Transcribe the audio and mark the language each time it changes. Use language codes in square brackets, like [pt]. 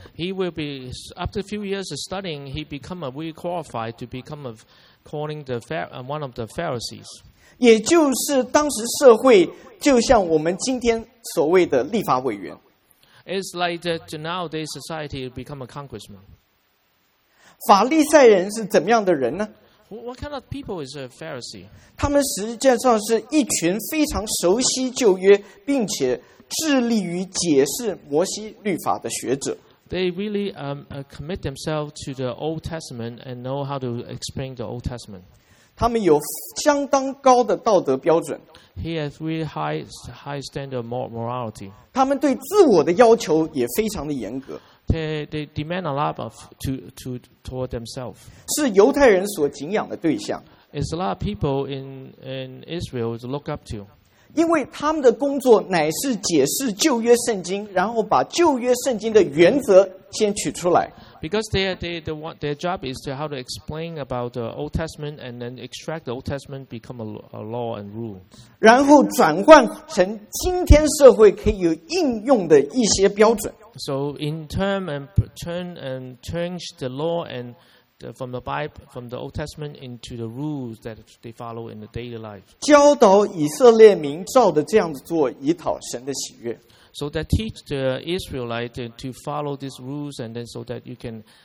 [en] He will be after a few years of studying, he become a really qualified to become of. Calling the one of the Pharisees, [zh] 也就是当时社会就像我们今天所谓的立法委员。 [en] It's like that nowadays society become a congressman. [zh] 法利赛人是怎么样的人呢 [en] ？What kind of people is a Pharisee? [zh] 他们实际上是一群非常熟悉旧约，并且致力于解释摩西律法的学者。 [en] They really commit themselves to the Old Testament and know how to explain the Old Testament. [zh] 他们有相当高的道德标准。 [en] He has really high standard of morality. [zh] 他们对自我的要求也非常的严格。 [en] They demand a lot of to toward themselves. [zh] 是犹太人所敬仰的对象。 [en] It's a lot of people in Israel to look up to. [zh] 因为他们的工作乃是解释旧约圣经，然后把旧约圣经的原则先取出来。 [en] Because their job is to how to explain about the Old Testament and then extract the Old Testament become a law and rule. [zh] 然后转换成今天社会可以有应用的一些标准。 [en] So in term and turn and change the law and the, from the Bible from the Old Testament into the rules that they follow in the daily life. [zh] 教导以色列民照着这样子做，以讨神的喜悦。 [en] So that teach the Israelite to follow these rules, and then so that you can,